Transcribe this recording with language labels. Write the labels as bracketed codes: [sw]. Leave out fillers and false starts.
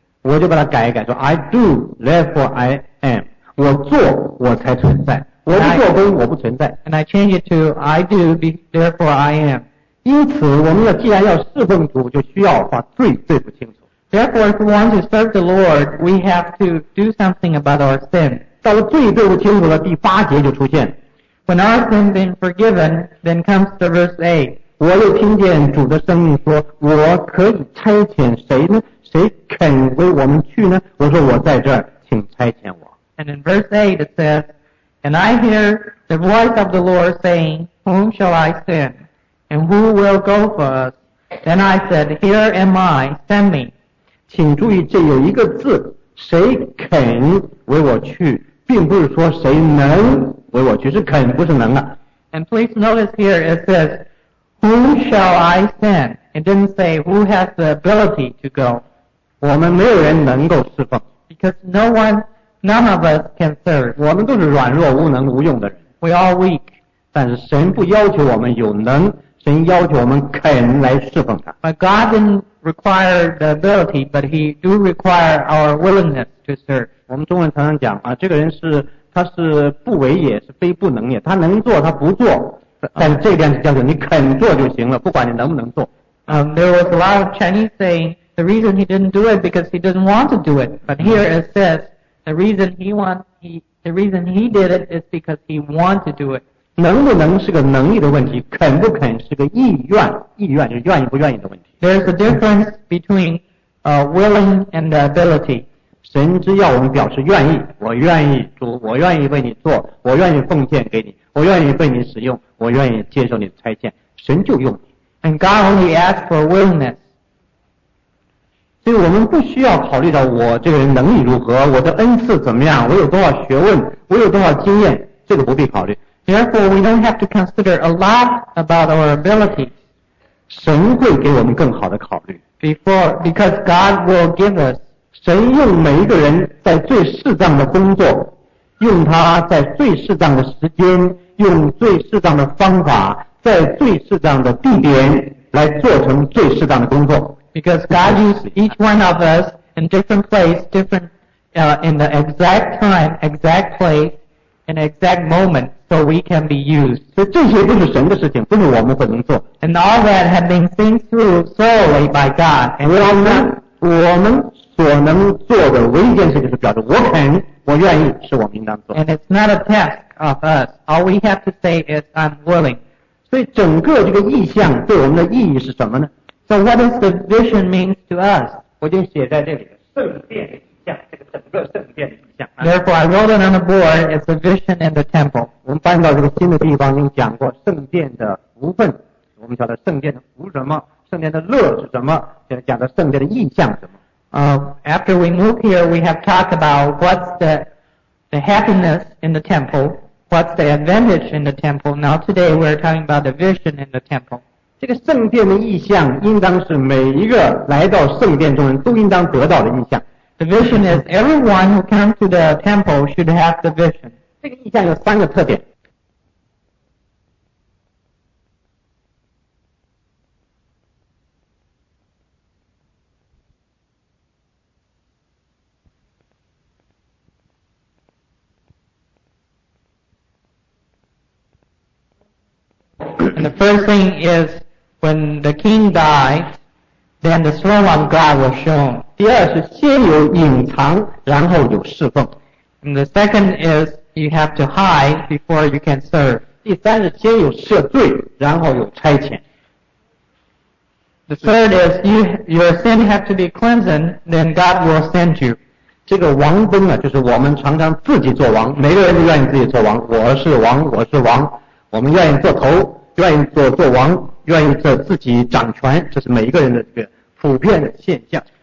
[zh] 我就把它改一改，说 [en] "I do, therefore I am." [zh] 我做，我才存在。我不做工，我不存在。 [en] And I change it to "I do, therefore I am." [zh] 因此，我们要既然要侍奉主，就需要把罪罪不清楚。 [en] Therefore, if we want to serve the Lord, we have to do something about our sin. [zh] 到了罪罪不清楚了，第八节就出现。 [en] When our sin been forgiven, then comes the verse 8. [zh] 我又听见主的声音说，我可以差遣谁呢？谁肯为我们去呢？我说我在这儿，请差遣我。 [en] And in verse 8 it says, And I hear the voice of the Lord saying, Whom shall I send? And who will go for us? Then I said, Here am I, send me. [zh] 请注意这有一个字。谁肯为我去，并不是说谁能为我去，是肯不是能啊。 [en] And please notice here it says, Who shall I send? It didn't say who has the ability to go. [zh] 我们没有人能够侍奉。 [en] Because none of us can serve. [zh] 我们都是软弱无能无用的人。 [en] We are weak. [zh] 但是神不要求我们有能，神要求我们肯来侍奉他。 [en] But God didn'trequire the ability, but he do require our willingness to serve. [zh] 我们中文常常讲啊，这个人是他是不为也是非不能也，他能做他不做，但这边是叫做你肯做就行了，不管你能不能做。 [en] There was a lot of Chinese saying the reason he didn't do it because he didn't want to do it, but here it says the reason he did it is because he wanted to do it. [zh] 能不能是个能力的问题，肯不肯是个意愿就是愿意不愿意的问题。 [en] There's a difference between willing and ability. [zh] 神只要我们表示愿意，我愿意主，我愿意为你做，我愿意奉献给你，我愿意被你使用，我愿意接受你的差遣，神就用你。 [en] And God only asks for willingness. [zh] 所以我们不需要考虑到我这个人能力如何，我的恩赐怎么样，我有多少学问，我有多少经验，这个不必考虑。 [en] Therefore, we don't have to consider a lot about our ability. [zh] 神会给我们更好的考虑。 [en] Because God will give us. [zh] 神用每一个人在最适当的工作，用他在最适当的时间，用最适当的方法，在最适当的地点来做成最适当的工作。 [en] Because God uses each one of us in different place, different, in the exact time, exact place, in exact moment. So we can be used. [zh] 所以这些都是神的事情，不是我们不能做。 [en] And all that had been seen through solely by God. [zh] 我们所能做的唯一件事就是表示我肯，我愿意，是我们应当做。 [en] And it's not a task of us. All we have to say is I'm willing. [zh] 所以整个这个意象对我们的意义是什么呢？ [en] So what does the vision mean to us? [zh] 我就写在这里圣殿的意象，这个整个圣殿的意象。 [en] Therefore, I wrote it on the board as a vision in the temple. [zh] 我们搬到这个新的地方，您讲过圣殿的福分，我们晓得圣殿的福什么，圣殿的乐是什么，现在讲的圣殿的意象什么。 [en] After we move here, we have talked about what's the happiness in the temple, what's the advantage in the temple. Now today we're talking about the vision in the temple. [zh] 这个圣殿的意象应当是每一个来到圣殿中人都应当得到的意象。 [en] The vision is everyone who comes to the temple should have the vision. [zh] 这个意象有三个特点。 [en] And the first thing is, when the king died, then the throne of God was shown. [zh] 第二是先有隐藏，然后有侍奉。 [en] And the second is, you have to hide before you can serve. [zh] 第三是先有赦罪，然后有差遣。 [en] The third is, your sin has to be cleansed, then God will send you. [zh] 这个王崩啊，就是我们常常自己做王，每个人都愿意自己做王，我是王，我是王，我们愿意做头。愿意做王，愿意做自己掌权，这是每一个人的这个普遍的现象。